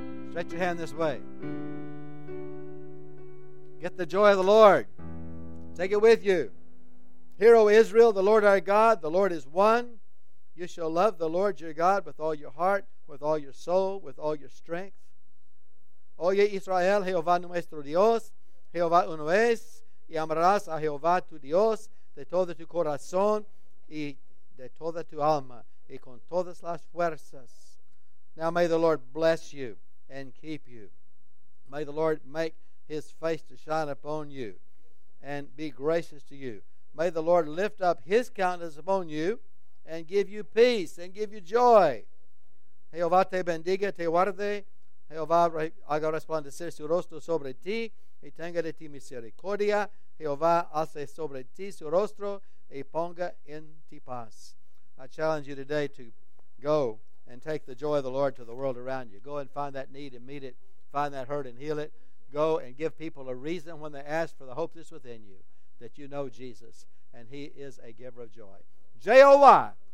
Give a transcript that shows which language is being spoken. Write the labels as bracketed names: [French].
[English] Stretch your hand this way. Get the joy of the Lord. Take it with you. Hear, O Israel, the Lord our God, the Lord is one. You shall love the Lord your God with all your heart, with all your soul, with all your strength. [Spanish] Oye Israel, Jehová nuestro Dios, Jehová uno es, y amarás a Jehová tu Dios de todo tu corazón y de toda tu alma y con todas las fuerzas. [English] Now may the Lord bless you and keep you. May the Lord make his face to shine upon you and be gracious to you. May the Lord lift up his countenance upon you and give you peace and give you joy. [Spanish] Jehová te bendiga, te guarde. Jehová haga resplandecer su rostro sobre ti y tenga de ti misericordia. Jehová hace sobre ti su rostro y ponga en ti paz. [English] I challenge you today to go and take the joy of the Lord to the world around you. Go and find that need and meet it. Find that hurt and heal it. Go and give people a reason when they ask for the hope that's within you, that you know Jesus, and he is a giver of joy. J-O-Y.